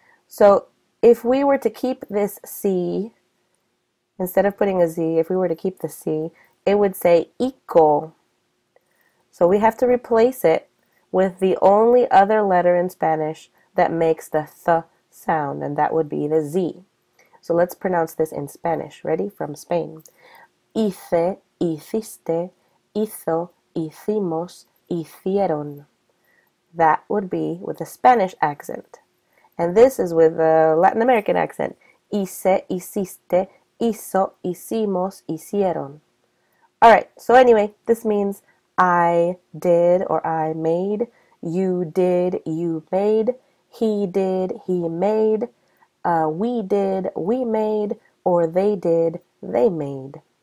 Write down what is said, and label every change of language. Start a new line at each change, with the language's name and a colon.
English: So if we were to keep this C, instead of putting a Z, if we were to keep the C, it would say ico. So we have to replace it with the only other letter in Spanish that makes the th sound, and that would be the Z. So let's pronounce this in Spanish. Ready? From Spain. Ice.
Spanish: Hiciste, hizo, hicimos, hicieron.
English: That would be with a Spanish accent. And this is with a Latin American accent.
Spanish: Hice, hiciste, hizo, hicimos, hicieron.
English: All right, so anyway, this means I did or I made, you did, you made, he did, he made, we did, we made, or they did, they made.